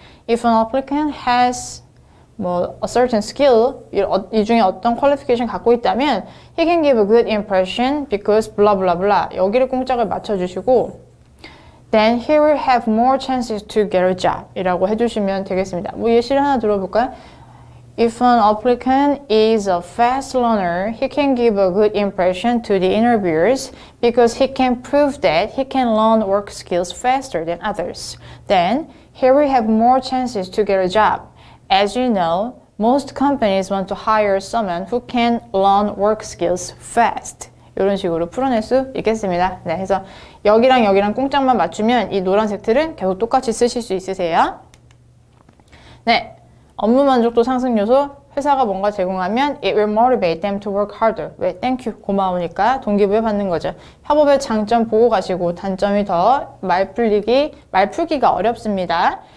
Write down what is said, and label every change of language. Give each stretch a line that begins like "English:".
English: If an applicant has
Korean: 뭐
English: a certain skill,
Korean: 이 중에 어떤
English: qualification
Korean: 갖고 있다면
English: he can give a good impression because blah blah blah.
Korean: 여기를 공짝을 맞춰주시고
English: then he will have more chances to get a job
Korean: 이라고 해주시면 되겠습니다. 뭐 예시를 하나 들어볼까요?
English: If an applicant is a fast learner, he can give a good impression to the interviewers because he can prove that he can learn work skills faster than others. Then, he will have more chances to get a job. As you know, most companies want to hire someone who can learn work skills fast.
Korean: 이런 식으로 풀어낼 수 있겠습니다. 네, 그래서 여기랑 여기랑 꽁짝만 맞추면 이 노란색 틀은 계속 똑같이 쓰실 수 있으세요.
English: 네.
Korean: 업무 만족도 상승 요소, 회사가 뭔가 제공하면
English: it will motivate them to work harder.
Korean: 왜?
English: Thank you.
Korean: 고마우니까 동기부여 받는 거죠. 협업의 장점 보고 가시고 단점이 더 말풀기가 어렵습니다.